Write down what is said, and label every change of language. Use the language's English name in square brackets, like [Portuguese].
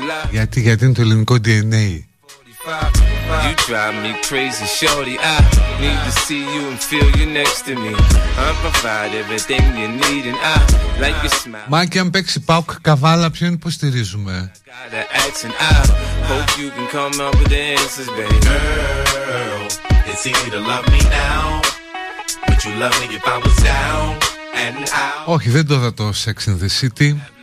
[Greek] Γιατί είναι το ελληνικό DNA. [English] You drive me crazy, shorty. I need to see you and feel you next to me. I'll provide everything you need and I like your smile. [Greek] Μα και αν παίξει ΠΑΟΚ Καβάλα, ποιον υποστηρίζουμε? [English] I hope you can come up with the answers, baby. Girl, it's easy to love me now. Would you love me if I was down and out? [Greek] Όχι, δεν το δω το Sex in the City.